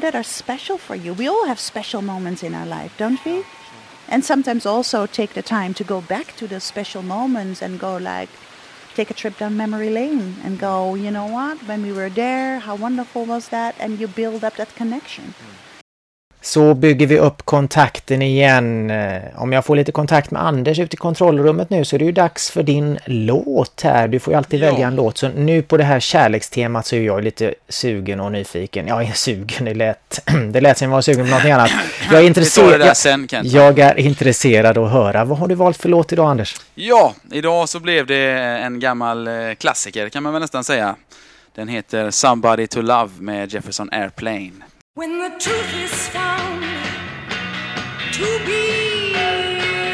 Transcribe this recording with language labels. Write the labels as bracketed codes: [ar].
[en] That are special for you. We all have special moments in our life, don't we? Yeah, sure. And sometimes also take the time to go back to those special moments and go like, take a trip down memory lane and go, you know what, when we were there, how wonderful was that? And you build up that connection. Mm. [sv] Så bygger vi upp kontakten igen. Om jag får lite kontakt med Anders ute i kontrollrummet nu så är det ju dags för din låt här. Du får ju alltid välja en låt. Så nu på det här kärlekstemat så är jag lite sugen och nyfiken. Jag är sugen, det lät som jag var sugen på något annat. Jag är intresserad. Jag är intresserad att höra. Vad har du valt för låt idag, Anders? Ja, idag så blev det en gammal klassiker kan man väl nästan säga. Den heter Somebody to Love med Jefferson Airplane. [en] When the truth is found to be lies.